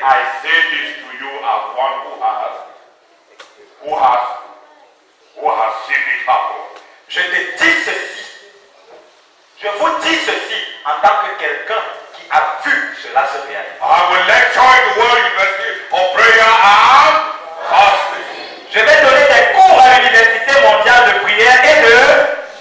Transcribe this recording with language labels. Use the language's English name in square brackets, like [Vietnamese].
[English] I say this to you as one who has seen it happen. [French] Je te dis ceci. Je vous dis ceci en tant que quelqu'un qui a vu cela se réaliser. [English] I will lecture the World University of Prayer and Fasting. [French] Je vais donner des cours à l'Université mondiale de prière et de.